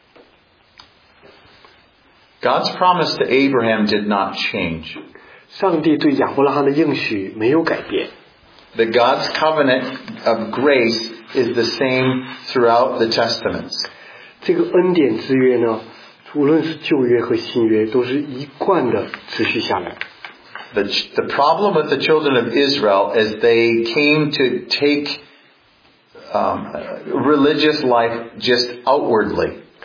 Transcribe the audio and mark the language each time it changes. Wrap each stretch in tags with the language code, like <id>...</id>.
<zh>在旧约当中所得到的福分和新约中的福分。</zh> <en>God's promise to Abraham did not change.</en> <zh>上帝对亚伯拉罕的应许没有改变。</zh> <en>The God's covenant of grace is the same throughout the testaments.</en> <zh>这个恩典之约呢，无论是旧约和新约，都是一贯的持续下来。</zh> <en>The problem with the children of Israel is they came to take religious life just outwardly.</en>